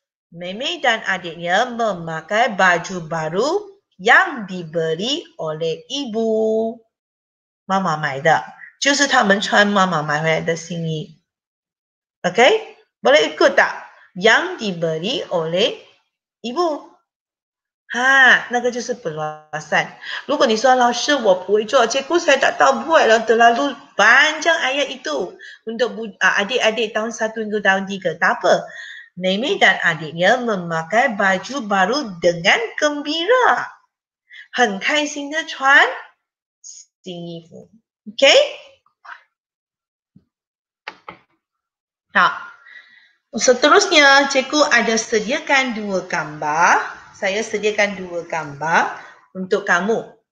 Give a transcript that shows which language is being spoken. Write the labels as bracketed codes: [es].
[ms] Mei-mei dan adiknya memakai baju baru yang diberi oleh ibu. [zh] Mama 買的, 就是他們穿媽媽買回來的新衣.Okay? [ms] Boleh ikut tak? Yang diberi oleh ibu. [zh] 那个就是perluasan. 如果你说老师我不会做, 结果才达到不会了, [ms] terlalu panjang ayat itu untuk adik-adik tahun 1 hingga tahun 3. Tak apa. Mei-mei dan adiknya memakai baju baru dengan gembira. [zh] 很开心的穿新衣服.Okay? [ms] 好.Seterusnya, cikgu ada sediakan dua gambar. Saya sediakan dua gambar untuk kamu.